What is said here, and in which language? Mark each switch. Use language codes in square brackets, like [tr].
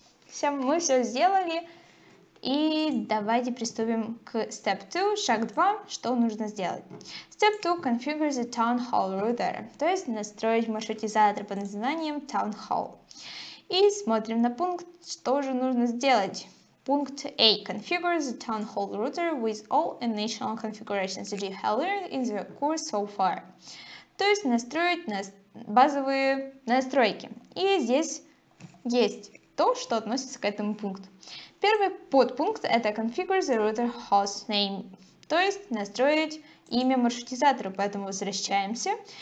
[ru] Все, мы все сделали. И давайте приступим к step 2, шаг 2, что нужно сделать. [en] Step 2, configure the town hall router, [ru] то есть настроить маршрутизатор под названием town hall. И смотрим на пункт, что же нужно сделать. Пункт A, [en] configure the town hall router with all initial configurations that you have learned in the course so far. [ru] То есть настроить базовые настройки. И здесь есть то, что относится к этому пункту. Первый подпункт это [en] configure the router host name, [ru] то есть настроить имя маршрутизатора, поэтому возвращаемся.